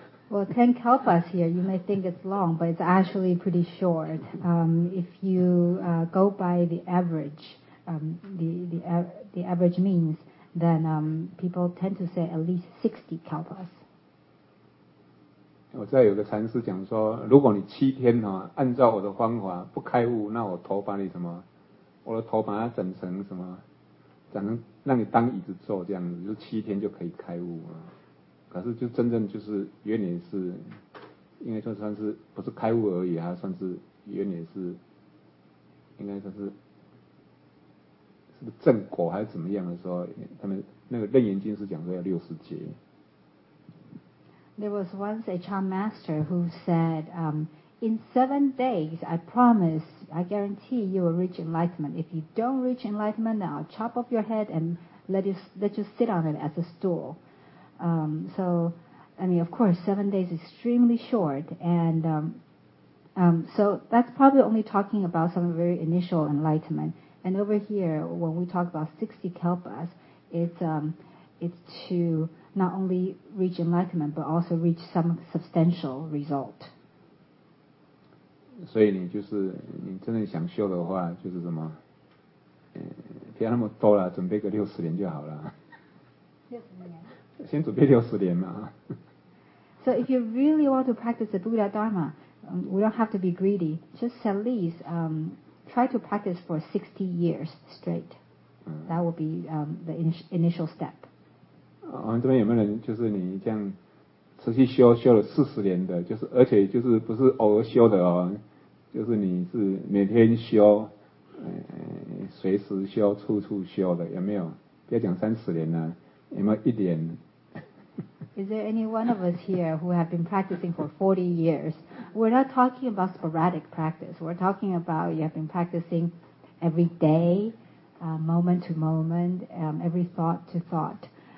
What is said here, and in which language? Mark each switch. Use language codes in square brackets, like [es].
[en] Well, 10 kalpas here, you may think it's long, but it's actually pretty short. If you go by the average, the average means, then people tend to say at least 60 kalpas. [zh] 我知道有个禅师讲说，如果你七天啊，按照我的方法不开悟，那我头把你什么？我的头把它整成什么？整成让你当椅子坐这样子，就七天就可以开悟了。可是就真正就是原理是应该算是不是开悟而已，它算是原理是应该算是正果还是怎么样的时候，他们那个楞严经是讲说要60劫。 [en] There was once a Chan master who said in 7 days I promise, I guarantee you will reach enlightenment. If you don't reach enlightenment, then I'll chop off your head and let you sit on it as a stool. So, I mean, of course, 7 days is extremely short, and so that's probably only talking about some very initial enlightenment. And over here, when we talk about 60 kalpas, it's to not only reach enlightenment, but also reach some substantial result. [zh] 所以你真正想修的话，就是什么，不要那么多了，准备个60年就好了。先准备60年嘛。 [en] So if you really want to practice the Buddha Dharma, we don't have to be greedy. Just at least try to practice for 60 years straight. That will be the initial step. [zh] 我们这边有没有人就是你这样持续修了40年的，就是而且就是不是偶尔修的哦，就是你是每天修，随时修，处处修的，有没有？不要讲30年了。有没有一点？ [en] Is there any one of us here who have been practicing for 40 years? We're not talking about sporadic practice. We're talking about you have been practicing every day, moment to moment, every thought to thought.